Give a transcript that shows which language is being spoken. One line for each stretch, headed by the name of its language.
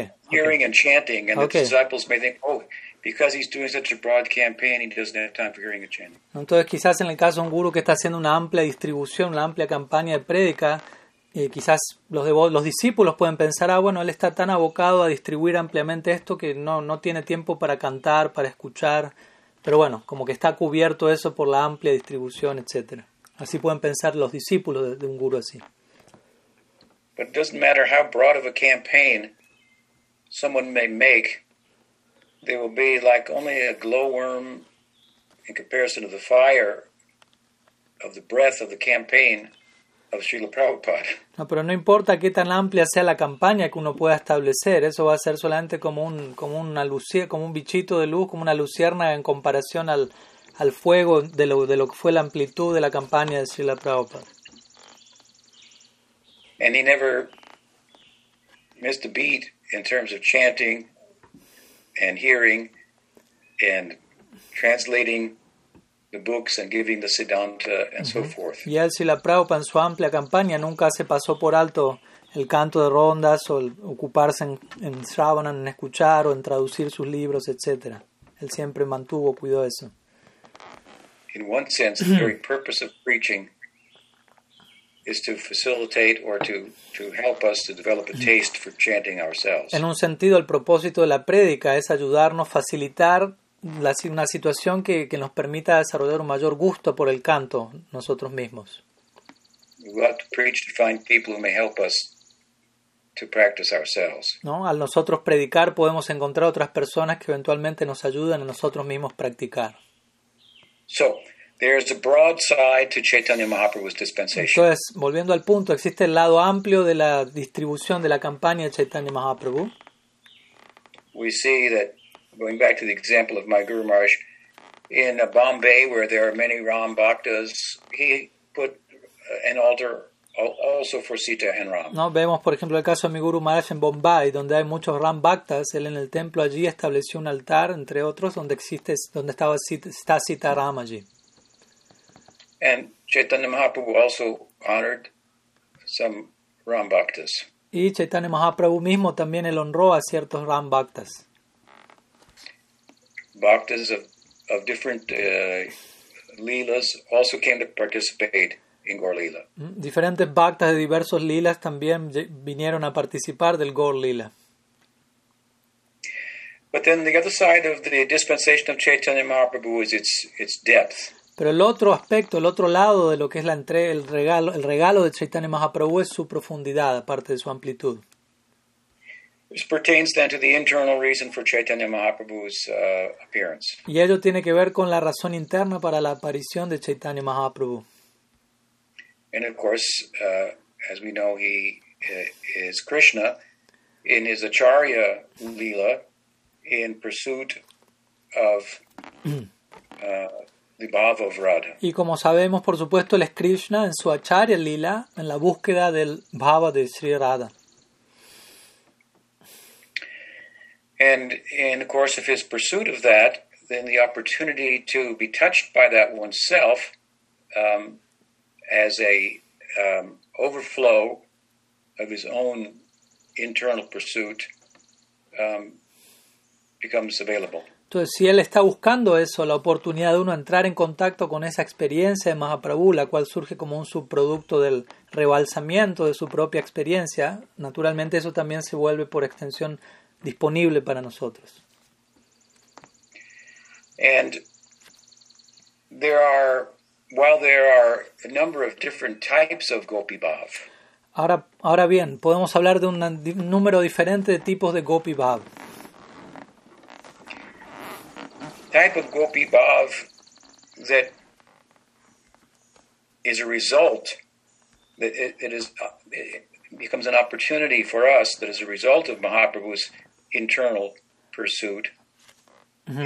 English: Hearing and chanting, and the disciples may think, oh, because he's doing such a broad campaign, he doesn't have time for hearing and chanting.
Spanish: Entonces, quizás en el caso de un guru que está haciendo una amplia distribución, una amplia campaña de prédica, quizás los discípulos pueden pensar, él está tan abocado a distribuir ampliamente esto que no tiene tiempo para cantar, para escuchar. Pero bueno, como que está cubierto eso por la amplia distribución, etcétera. Así pueden pensar los discípulos de un guru así.
English: But it doesn't matter how broad of a campaign someone may make, they will be like only a glowworm in comparison to the fire of the breath of the campaign of Srila Prabhupada.
Spanish: No, pero no importa qué tan amplia sea la campaña que uno pueda establecer, eso va a ser solamente como un bichito de luz, como una luciérnaga en comparación al fuego de lo que fue la amplitud de la campaña de Srila Prabhupada.
English: And he never missed a beat in terms of chanting and hearing and translating the books and giving the Siddhanta and mm-hmm. so forth. Yes,
Spanish: y la Prabhupada en su amplia campaña nunca se pasó por alto el canto de rondas o el ocuparse en Sravana, en escuchar o en traducir sus libros, etc. Él siempre mantuvo, cuidó eso.
English: In one sense, the very purpose of preaching is to facilitate or to help us to develop a taste for chanting ourselves.
Spanish: En un sentido, el propósito de la prédica es ayudarnos, facilitar una situación que nos permita desarrollar un mayor gusto por el canto nosotros mismos.
English: We have to preach to find people who may help us to practice ourselves.
Spanish: ¿No? Al nosotros predicar podemos encontrar otras personas que eventualmente nos ayuden a nosotros mismos practicar.
English: So, there's a broad side to Chaitanya Mahaprabhu's dispensation.
Spanish: Entonces, volviendo al punto, existe el lado amplio de la distribución de la campaña de Chaitanya Mahaprabhu.
English: We see that, going back to the example of my Guru Maharaj, in Bombay, where there are many Ram Bhaktas, he put an altar also for Sita and Ram.
Spanish: No, vemos, por ejemplo, el caso de mi Guru Maharaj en Bombay, donde hay muchos Ram Bhaktas. Él en el templo allí estableció un altar, entre otros, donde estaba Sita Ram allí.
English: And Chaitanya Mahaprabhu also honored some Ram Bhaktas.
Spanish: Y Chaitanya Mahaprabhu mismo también el honró a ciertos Ram Bhaktas.
English: Bhaktas of different leelas also came to participate in Gaur Leela.
Spanish: Diferentes Bhaktas de diversos leelas también vinieron a participar del Gaur Leela.
English: But then the other side of the dispensation of Chaitanya Mahaprabhu is its depth.
Spanish: Pero el otro aspecto, el otro lado de lo que es la entrega, el regalo de Chaitanya Mahaprabhu es su profundidad, aparte de su amplitud.
English: This pertains then to the internal reason for Chaitanya Mahaprabhu's appearance.
Spanish: Y ello tiene que ver con la razón interna para la aparición de Chaitanya Mahaprabhu.
English: And of course, as we know, he is Krishna in his Acharya Leela in pursuit of the bhava of Radha.
Spanish: Y como sabemos, por supuesto, él es Krishna en su Acharya Lila, en la búsqueda del bhava de Sri Radha.
English: And of course, if his pursuit of that, then the opportunity to be touched by that oneself as a overflow of his own internal pursuit becomes available.
Spanish: Entonces, si él está buscando eso, la oportunidad de uno entrar en contacto con esa experiencia de Mahaprabhu, la cual surge como un subproducto del rebalsamiento de su propia experiencia, naturalmente eso también se vuelve por extensión disponible para nosotros.
English: And while there are a number of different types of Gopi Bhav.
Spanish: Ahora bien, podemos hablar de un número diferente de tipos de Gopi Bhav.
English: Type of Gopi Bhav that is a result, that it becomes an opportunity for us, that is a result of Mahaprabhu's internal pursuit, mm-hmm.